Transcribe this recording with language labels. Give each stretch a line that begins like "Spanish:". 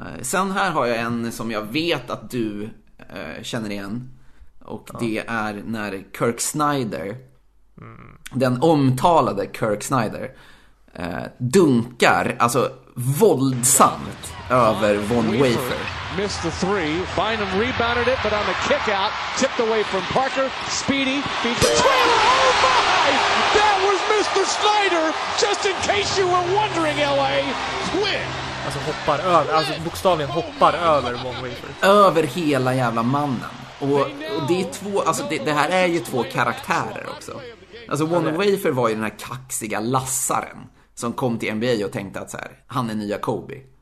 Swedish: Sen här har jag en som jag vet att du känner igen. Och ja. Det är när Kirk Snyder, den omtalade Kirk Snyder, dunkar, alltså våldsamt, över Von Wafer.
English: Missed the three. Bynum rebounded it, but on the kick out, tipped away from Parker. Speedy beat the trailer. Oh my! That was Mr. Snyder! Just in case you were wondering, LA. Win!
Swedish: Alltså hoppar över, alltså bokstavligen hoppar över Von Wafer. Över hela jävla mannen. Och det är två, alltså det här är ju två karaktärer också. Alltså Von Wafer var ju den här kaxiga lassaren som kom till NBA och tänkte att så här, han är nya Kobe.